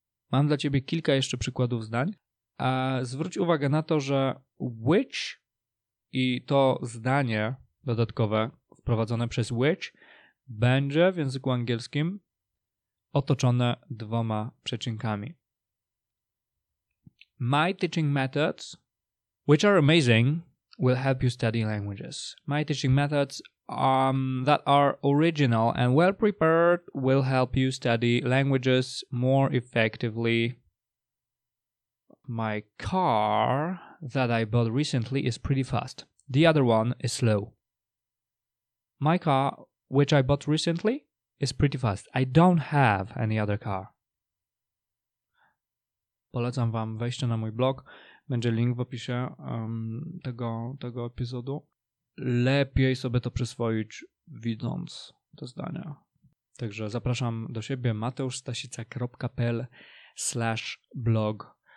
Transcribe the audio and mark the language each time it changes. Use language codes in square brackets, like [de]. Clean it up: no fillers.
[pl] Mam dla ciebie kilka jeszcze przykładów zdań. A zwróć uwagę na to, że which i to zdanie dodatkowe wprowadzone przez which będzie w języku angielskim otoczone dwoma przecinkami. [en] My teaching methods, which are amazing, will help you study languages. My teaching methods that are original and well prepared will help you study languages more effectively. My car that I bought recently is pretty fast. The other one is slow. My car, which I bought recently, is pretty fast. I don't have any other car. [pl] Polecam wam wejść na mój blog. Będzie link w opisie tego epizodu. Lepiej sobie to przyswoić, widząc te zdania. Także zapraszam do siebie mateuszstasica.pl/blog.